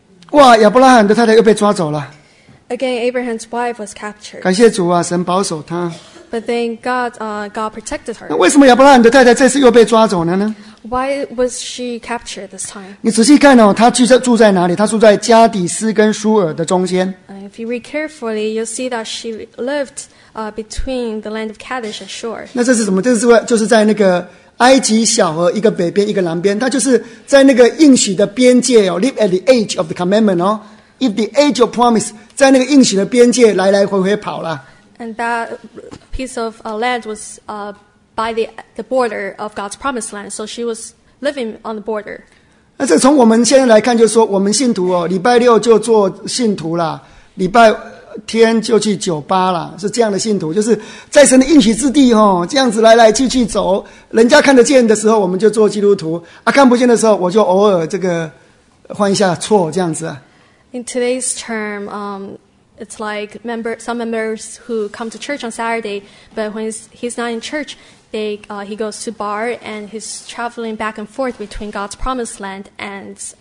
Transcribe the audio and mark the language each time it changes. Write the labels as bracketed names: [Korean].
[Chinese] 哇，亚伯拉罕的太太又被抓走了。 [English] Again, Abraham's wife was captured. [Chinese] 感谢主啊，神保守她。 [English] But then God protected her. [Chinese] 那为什么亚伯拉罕的太太这次又被抓走了呢？ [English] Why was she captured this time? [Chinese] 你仔细看哦，她住在哪里？她住在加底斯跟舒尔的中间。 [English] If you read carefully, you'll see that she lived between the land of Kadesh and Shur. [Chinese] 那这是什么？这是就是在那个埃及小河，一个北边，一个南边，它就是在那个应许的边界哦。 [English] Live at the edge of the commandment 哦 ，at the edge of promise， [Chinese] 在那个应许的边界来来回回跑了。 [English] And that piece of land was by the border of God's promised land, so she was living on the border. [Chinese] 那这从我们现在来看，就是说我们信徒哦，礼拜六就做信徒啦，礼拜天就去酒吧了，是这样的信徒，就是在神的应许之地哦，这样子来来去去走，人家看得见的时候，我们就做基督徒啊；看不见的时候，我就偶尔这个换一下错这样子啊。 [English] In today's term, it's like some members who come to church on Saturday, but when he's not in church, he goes to bar and he's traveling back and forth between God's promised land and